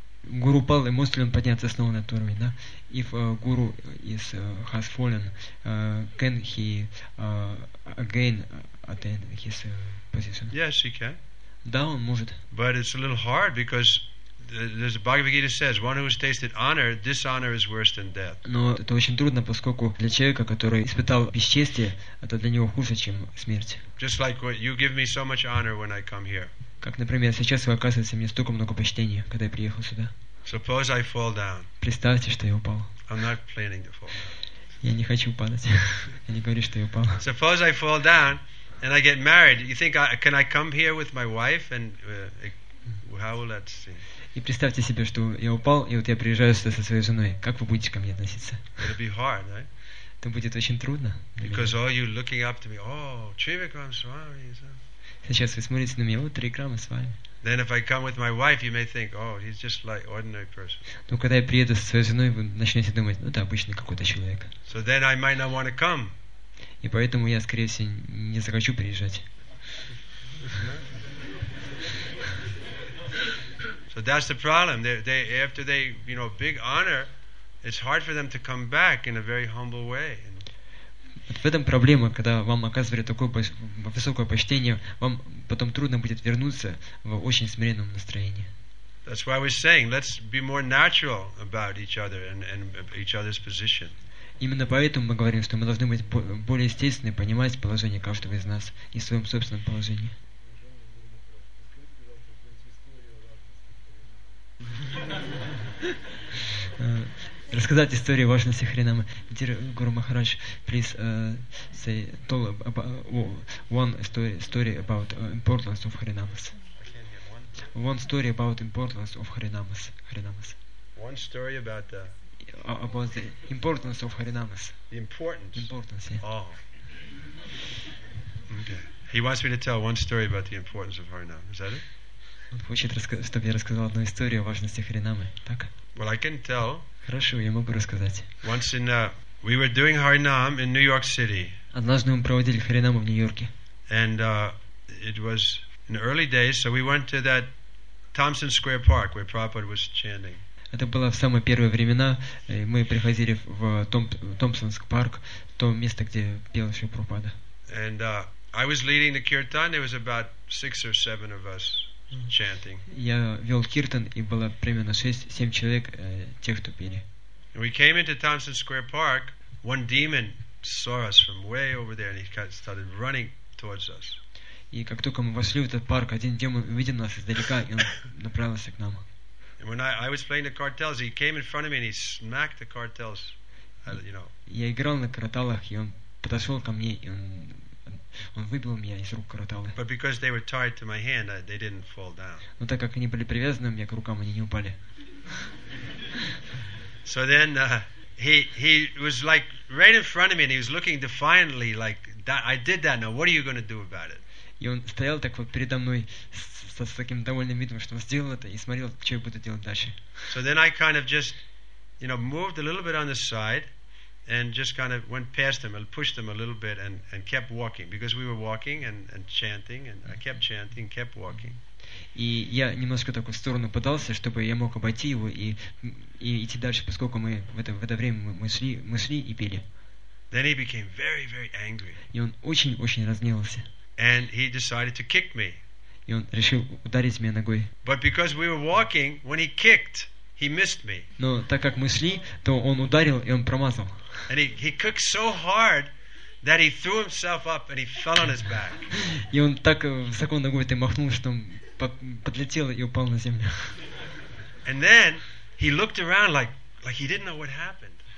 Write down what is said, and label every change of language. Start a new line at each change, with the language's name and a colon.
Russian: Гуру пал, и может ли он подняться снова на турме, да?
English: If guru is has fallen, can he again attain his position? Yes, he can.
Russian: Да, он может.
English: But it's a little hard because there's a Bhagavad Gita says, one who has tasted honor, dishonor is worse than death.
Russian: Но это очень трудно, поскольку для человека, который испытал бесчестие, это для него хуже, чем смерть.
English: Just like what you give me so much honor when I come here.
Russian: Как, например, сейчас вы оказываете мне столько много почтения, когда я приехал сюда.
English: Suppose I fall down.
Russian: Представьте, что я упал.
English: I'm not planning to fall down.
Russian: Я не хочу падать. Я не говорю, что я упал.
English: Suppose I fall down and I get married. You think I can I come here with my wife and how will that seem?
Russian: И представьте себе, что я упал, и вот я приезжаю сюда со своей женой. Как вы будете ко мне относиться?
English: It'll be hard, right?
Russian: Это будет очень трудно.
English: Because all you looking up to me, oh, Trivikram Swami.
Russian: Сейчас вы смотрите на меня, вот Трикрама с вами.
English: Then if I come with my wife, you may think, oh, he's just like ordinary person.
Russian: Но когда я приеду со своей женой, вы начнете думать, ну это обычный какой-то человек.
English: So then I might not want to come.
Russian: И поэтому я, скорее всего, не захочу приезжать.
English: So that's the problem. They after they, you know, big honor, it's hard for them to come back in a very humble way.
Russian: Вот в этом проблема, когда вам оказывали такое высокое почтение, вам потом трудно будет вернуться в очень смиренном настроении.
English: That's why we're saying, let's be more natural about each other and each other's position.
Russian: Именно поэтому мы говорим, что мы должны быть более естественны, понимать положение каждого из нас и в своем собственном положении. Рассказать историю важности Харинамы.
English: Dear Guru Maharaj, please say tell one story about importance of Harinamas. One story about importance of Harinamas. One story about the about the importance of Harinamas. The importance. Importance. Yeah. Oh. Okay. He wants me to tell one story about the importance of Harinamas. Is that it?
Russian: Он хочет, чтобы я рассказал одну историю о важности Харинамы. Так?
English: Well, I can tell.
Russian: Хорошо, я могу рассказать.
English: Once in we were doing Harinam in New York City.
Russian: Однажды мы проводили Харинаму в Нью-Йорке.
English: And it was in the early days, so we went to that Thompson Square Park where Prabhupada was chanting.
Russian: Это было в самые первые времена, и мы приходили в Thompson Square Park, то место, где пел еще Прабхупада.
English: And I was leading the kirtan. There was about six or seven of us. Chanting.
Russian: Я вел киртан, и было примерно 6-7 человек тех, кто пели.
English: We came into Thompson Square Park. One demon saw us from way over there, and he started running towards us.
Russian: И как только мы вошли в этот парк, один демон увидел нас издалека, и он направился к нам.
English: And when I was playing the cartels, he came in front of me and he smacked the cartels. You know.
Russian: Я играл на карателях, и он подошел ко мне, и он выбил меня из рук караталы.
English: But because they were tied to my hand, they didn't fall down.
Russian: Но так как они были привязаны у меня к рукам, они не упали.
English: So then he was like right in front of me, and he was looking defiantly, like that. I did that. Now what are you going to do about it?
Russian: И он стоял так вот передо мной с таким довольным видом, что он сделал это, и смотрел, что я буду делать дальше.
English: So then I kind of just, you know, moved a little bit on the side. And just kind of went past them and pushed them a little bit and kept walking because we were walking and chanting and I kept chanting, kept walking.
Russian: И я немножко так в сторону подался, чтобы я мог обойти его и идти дальше, поскольку мы в это время мы шли и пели.
English: Then he became very, very angry.
Russian: И он очень-очень разгневался.
English: And he decided to kick me.
Russian: И он решил ударить меня ногой.
English: But because we were walking, when he kicked, he missed me.
Russian: Но так как мы шли, то он ударил и он промазал.
English: And he kicked so hard that he threw himself up and he fell on his back.
Russian: И он так высоко ногой ты махнул, что он подлетел и упал на землю.
English: And then he looked around like he didn't know what happened.